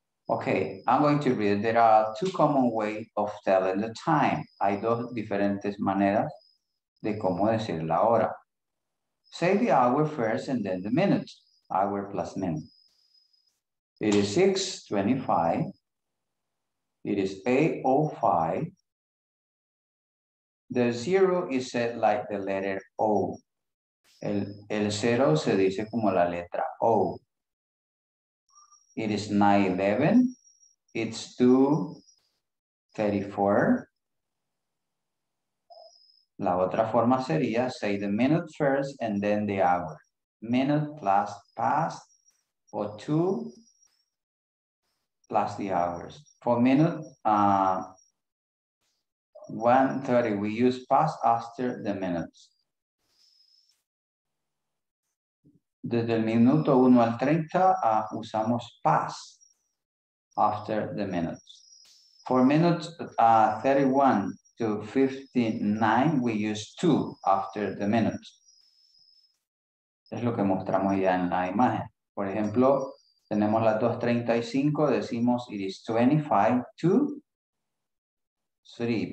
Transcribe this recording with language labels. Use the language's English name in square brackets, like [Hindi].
[English] Okay, I'm going to read. There are two common ways of telling the time. [Spanish] Hay dos diferentes maneras de cómo decir la hora. [English] Say the hour first and then the minute. Hour plus minute. It is 6:25. It is 8:05. The zero is said like the letter O. [Spanish] El cero se dice como la letra O. [English] It is 9:11. It's 2:34. [Spanish] La otra forma sería [English] say the minute first and then the hour. Minute plus past or 2 plus the hours. For minute, 1:30, we use past after the minutes. [Spanish] Desde el minuto 1 al 30, usamos [English] past after the minutes. For minutes 31 to 59, we use 2 after the minutes. [Spanish] Es lo que mostramos ya en la imagen. Por ejemplo, tenemos las 2:35, decimos [English] it is 25 to 3.